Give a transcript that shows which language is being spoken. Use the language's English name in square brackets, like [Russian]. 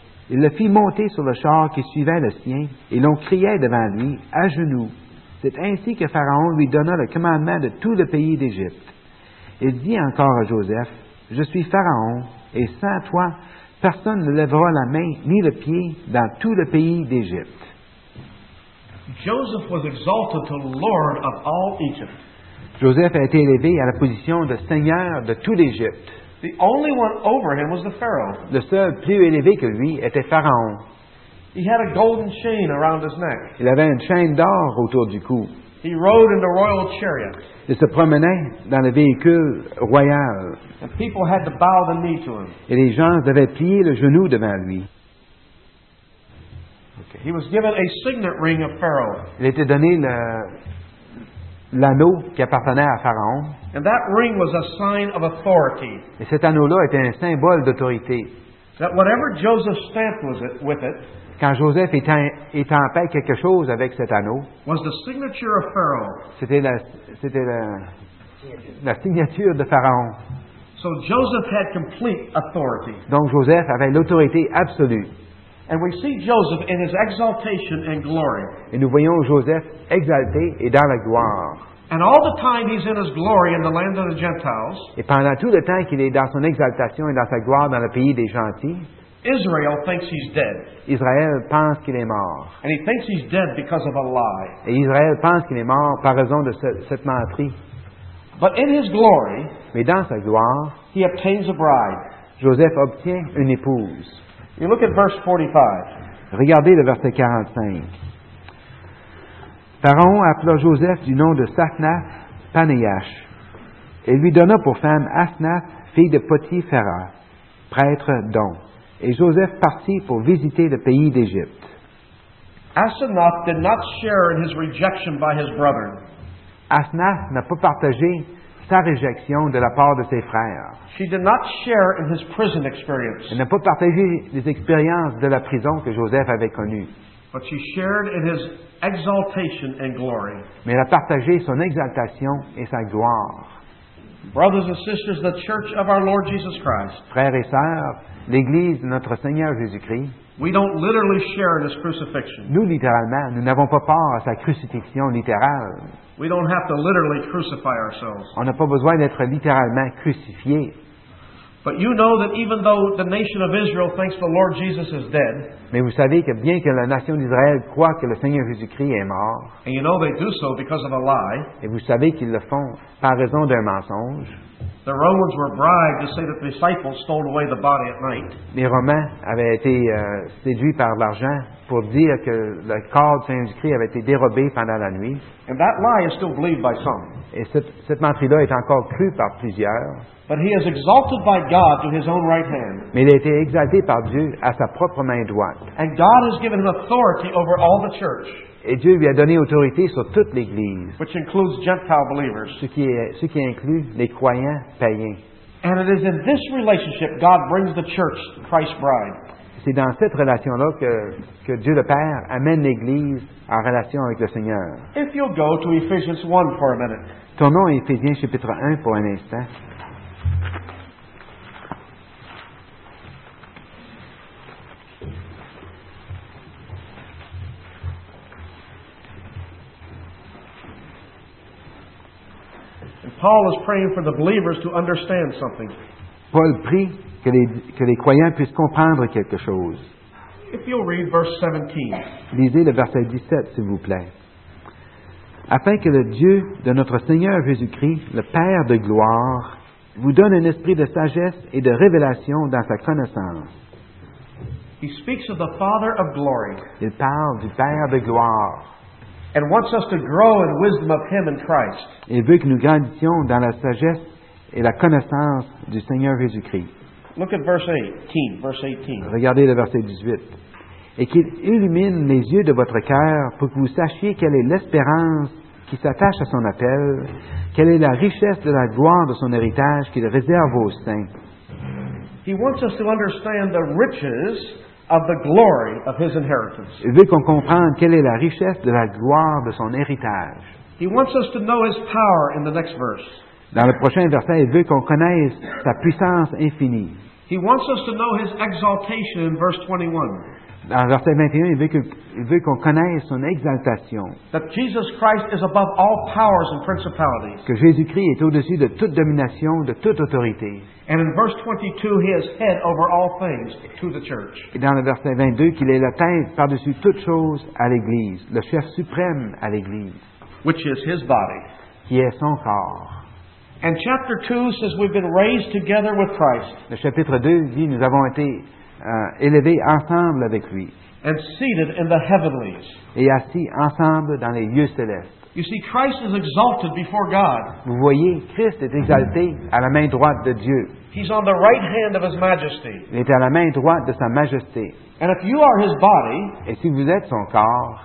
[French] Il le fit monter sur le char qui suivait le sien, et l'on criait devant lui, à genoux. C'est ainsi que Pharaon lui donna le commandement de tout le pays d'Égypte. Il dit encore à Joseph, « Je suis Pharaon, et sans toi, personne ne lèvera la main ni le pied dans tout le pays d'Égypte. » [English] Joseph was exalted to Lord of all Egypt. [French] Joseph a été élevé à la position de seigneur de tout l'Égypte. [English] The only one over him was the Pharaoh. [French] Le seul plus élevé que lui était Pharaon. [English] He had a golden chain around his neck. [French] Il avait une chaîne d'or autour du cou. [English] He rode in the royal chariot. [French] Il se promenait dans le véhicule royal. [English] And people had to bow the knee to him. [French] Et les gens devaient plier le genou devant lui. [English] Okay. He was given a signet ring of Pharaoh. [French] Il était donné l'anneau qui appartenait à Pharaon. [English] And that ring was a sign of authority. [French] Et cet anneau-là était un symbole d'autorité. [English] That whatever Joseph stamped was it, with it, [French] quand Joseph étampait quelque chose avec cet anneau, [English] was the signature of Pharaoh. [French] C'était la signature de Pharaon. [English] So Joseph had complete authority. [French] Donc Joseph avait l'autorité absolue. [English] And we see Joseph in his exaltation and glory. [French] Et nous voyons Joseph exalté et dans la gloire. [English] And all the time he's in his glory in the land of the Gentiles. [French] Et pendant tout le temps qu'il est dans son exaltation et dans sa gloire dans le pays des gentils. [English] Israel thinks he's dead. [French] Israël pense qu'il est mort. [English] And he thinks he's dead because of a lie. [French] Et Israël pense qu'il est mort par raison de cette menterie. [English] But in his glory, [French] mais dans sa gloire, [English] he obtains a bride. [French] Joseph obtient une épouse. [English] You look at verse 45. [French] Regardez le verset 45. Pharaon appela Joseph du nom de Saphnath-Panéach et lui donna pour femme Asnath, fille de Potiphéra, prêtre d'On. Et Joseph partit pour visiter le pays d'Égypte. [English] Asnath did not share in his rejection by his brethren. [French] Asnath n'a pas partagé sa réjection de la part de ses frères. [English] She did not share in his prison experience. [French] Elle n'a pas partagé les expériences de la prison que Joseph avait connues. [English] But she shared in his exaltation and glory. [French] Mais elle a partagé son exaltation et sa gloire. [English] Brothers and sisters, the church of our Lord Jesus Christ. [French] Frères et sœurs, l'Église de notre Seigneur Jésus-Christ. [English] We don't literally share in his crucifixion. [French] Nous, littéralement, nous n'avons pas part à sa crucifixion littérale. [English] We don't have to literally crucify ourselves. [French] On n'a pas besoin d'être littéralement crucifié. [English] But you know that even though the nation of Israel thinks the Lord Jesus is dead. [French] Mais vous savez que bien que la nation d'Israël croit que le Seigneur Jésus-Christ est mort. [English] And you know they do so because of a lie. [French] Et vous savez qu'ils le font par raison d'un mensonge. [English] The Romans were bribed to say that the disciples stole away the body at night. [French] Les Romains avaient été séduits par l'argent pour dire que le corps du Saint-Jésus-Christ avait été dérobé pendant la nuit. [English] And that lie is still believed by some. [French] Et cette menterie-là est encore crue par plusieurs. [English] But he is exalted by God to his own right hand. [French] Mais il a été exalté par Dieu à sa propre main droite. [English] And God has given him authority over all the church. [French] Et Dieu lui a donné autorité sur toute l'Église. [English] Which includes Gentile believers. [French] Ce qui inclut les croyants païens. [English] And it is in this relationship God brings the church, Christ's bride. [French] C'est dans cette relation-là que Dieu le Père amène l'Église en relation avec le Seigneur. [English] If you'll go to Ephesians 1 for a minute. [French] Tournons à Ephésiens chapitre 1 pour un instant. [English] Paul is praying for the believers to understand something. [French] Paul prie que les croyants puissent comprendre quelque chose. [English] If you'll read verse 17. [French] Lisez le verset 17, s'il vous plaît. Afin que le Dieu de notre Seigneur Jésus-Christ, le Père de gloire, vous donne un esprit de sagesse et de révélation dans sa connaissance. [English] He speaks of the Father of glory. [French] Il parle du Père de gloire. [English] And wants us to grow in wisdom of Him in Christ. [French] Il veut que nous grandissions dans la sagesse et la connaissance du Seigneur Jésus-Christ. [English] Look at verse 18. [French] Regardez le verset 18. Et qu'il illumine les yeux de votre cœur pour que vous sachiez quelle est l'espérance qui s'attache à son appel, quelle est la richesse de la gloire de son héritage qu'il réserve aux saints. [English] He wants us to understand the riches of the glory of his inheritance. [French] Il veut qu'on comprenne quelle est la richesse de la gloire de son héritage. [English] He wants us to know his power in the next verse. [French] Dans le prochain verset, il veut qu'on connaisse sa puissance infinie. [English] He wants us to know his exaltation in verse 21. [French] Dans verset 21, il veut qu'on connaisse son exaltation. [English] That Jesus Christ is above all powers and principalities. [French] Que Jésus-Christ est au-dessus de toute domination, de toute autorité. [English] And in verse 22, he is head over all things to the church. [French] Et dans le verset 22, qu'il est la tête par-dessus toutes choses à l'Église, le chef suprême à l'Église. [English] Which is his body. [French] Qui est son corps. [English] And chapter 2 says we've been raised together with Christ. [French] Le chapitre 2 dit nous avons été élevé ensemble avec lui. [English] And seated in the heavenlies. [French] Et assis ensemble dans les lieux célestes. [English] You see, Christ is exalted before God. [French] Vous voyez, Christ est exalté à la main droite de Dieu. [English] He's on the right hand of his majesty. [French] Il est à la main droite de sa majesté. [English] And if you are his body, [French] et si vous êtes son corps,